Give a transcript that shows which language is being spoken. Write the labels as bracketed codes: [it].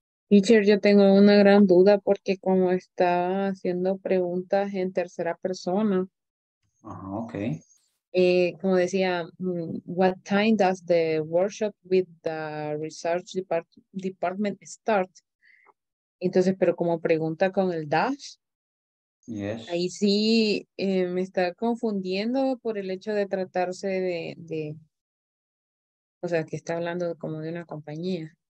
[es] Teacher, yo tengo una gran duda porque como estaba haciendo preguntas en tercera persona. [en] Okay. [es] Como decía, [en] what time does the workshop with the research department start? [es] Entonces, pero como pregunta con el dash. [en] Yes. [es] Ahí sí me está confundiendo por el hecho de tratarse de o sea, que está hablando como de una compañía.